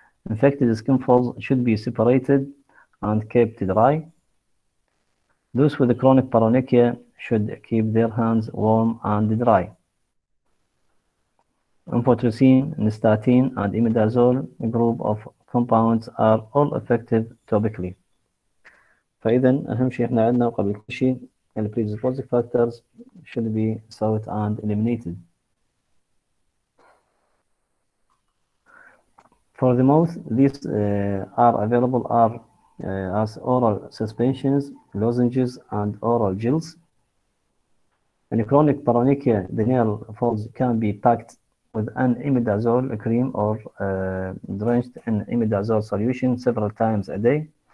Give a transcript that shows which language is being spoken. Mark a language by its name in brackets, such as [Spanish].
[English] Infected skin folds should be separated and kept dry. Those with chronic paronychia should keep their hands warm and dry. Amphotericin, nystatin, and imidazole group of compounds are all effective topically. [Arabic] فإذا أهم شيء إحنا عندنا قبل كل شيء ال [English] predisposing factors should be sought and eliminated. For the mouth, these are available are as oral suspensions, lozenges, and oral gels. In chronic paronychia, the nail folds can be packed with an imidazole cream or drenched in imidazole solution several times a day.